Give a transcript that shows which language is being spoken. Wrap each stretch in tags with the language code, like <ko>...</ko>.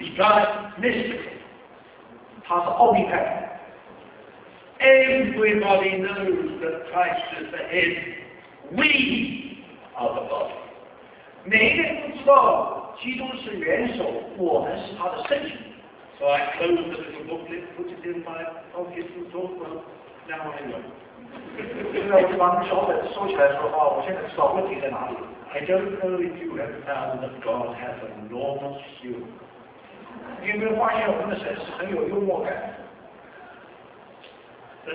<en>He's got mystical.</en> <zh>他是奥秘派。</zh> <en>Everybody knows that Christ is the head. We are the body.</en> <zh>每一个人都知道基督是元首，我们是他的身体。</zh> <en>So I closed the little booklet, put it in my pocket, and thought, well, now I know.</en> <zh>现在我就把那小本子收起来说，我现在知道问题在哪里。</zh> <en>I don't know if you have found that God has enormous humor.</en> <zh>你有没有发现我们的神是很有幽默感？The</zh>